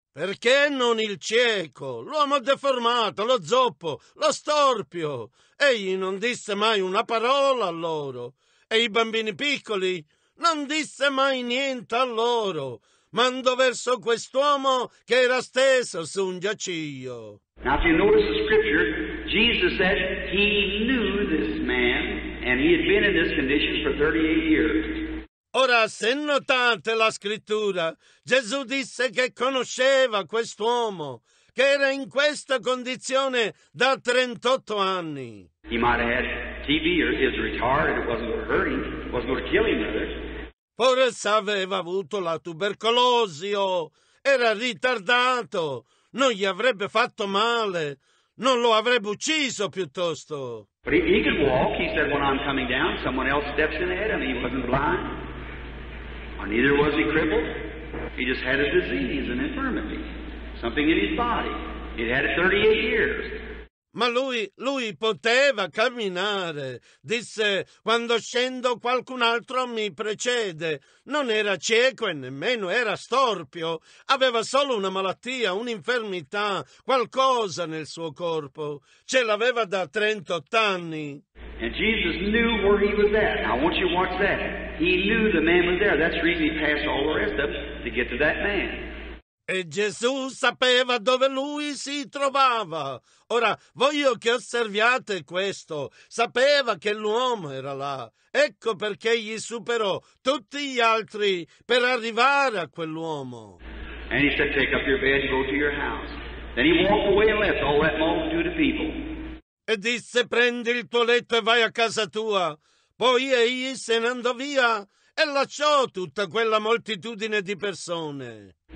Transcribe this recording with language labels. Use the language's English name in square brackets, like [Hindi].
[Italian] Perché non il cieco, l'uomo deformato, lo zoppo, lo storpio? Egli non disse mai una parola a loro. E i bambini piccoli? Non disse mai niente a loro. Mandò verso quest'uomo che era steso su un giaciglio. [English] Now if you notice the scripture, Jesus said he knew this man and he had been in this condition for 38 years. [Italian] Ora, se notate la scrittura, Gesù disse che conosceva quest'uomo, che era in questa condizione da 38 anni. [English] He might have had TB or is retarded, it wasn't going to hurt him, it wasn't going to kill him. [Italian] Forse aveva avuto la tubercolosi o era ritardato, non gli avrebbe fatto male, non lo avrebbe ucciso piuttosto. [English] But he could walk, he said, when I'm coming down, someone else steps in ahead of me, he wasn't blind. Neither was he crippled. He just had a disease, an infirmity, something in his body. He'd had it 38 years. [Italian] Ma lui poteva camminare. Disse, quando scendo qualcun altro mi precede. Non era cieco e nemmeno era storpio. Aveva solo una malattia, un'infermità, qualcosa nel suo corpo. Ce l'aveva da 38 anni. [English] And Jesus knew where he was at. Now, I want you to watch that. He knew the man was there. That's the reason he passed all the rest of them to get to that man. [Italian] E Gesù sapeva dove lui si trovava. Ora, voglio che osserviate questo. Sapeva che l'uomo era là. Ecco perché gli superò tutti gli altri per arrivare a quell'uomo. [English] And he said, take up your bed and go to your house. Then he walked away and left all that multitude of people. [Italian] E disse, prendi il tuo letto e vai a casa tua. Poi egli se ne andò via e lasciò tutta quella moltitudine di persone.